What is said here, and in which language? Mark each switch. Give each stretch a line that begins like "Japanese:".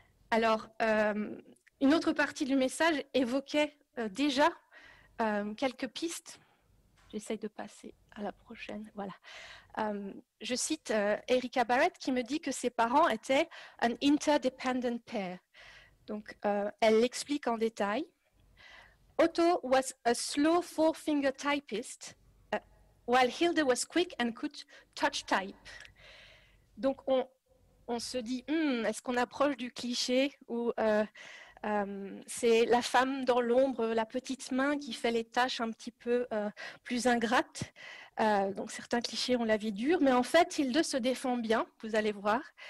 French: Alors, une autre partie du message évoquait déjà quelques pistes. J'essaye de passer à la prochaine. Voilà. Je cite Erika Barrett qui me dit que ses parents étaient «
English: an interdependent pair ».
French: Donc, elle l'explique en détail.
English: « Otto was a slow four-finger typist » while Hilde was quick and could touch type.
French: Donc, on se dit, est-ce qu'on approche du cliché où c'est la femme dans l'ombre, la petite main qui fait les tâches un petit peu plus ingrates. Donc, certains clichés ont la vie dure. Mais en fait, Hilde se défend bien, vous allez voir.